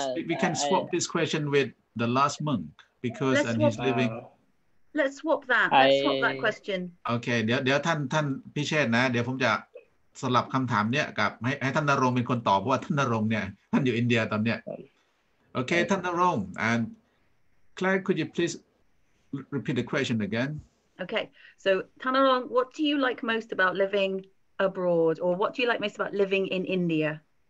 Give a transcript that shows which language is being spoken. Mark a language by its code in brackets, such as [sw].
[en] We can swap this question with the last monk because and he's living. Let's swap that. Let's swap that question. Okay. [th] เดี๋ยวท่านพิเชษนะเดี๋ยวผมจะสลับคำถามเนี้ยกับให้ท่านนรงค์เป็นคนตอบเพราะว่าท่านนรงค์เนี่ยท่านอยู่อินเดียตอนเนี้ย Okay. [en] ท่านนรงค์ and Claire, could you please repeat the question again? Okay, so Tanarong, what do you like most about living abroad, or what do you like most about living in India?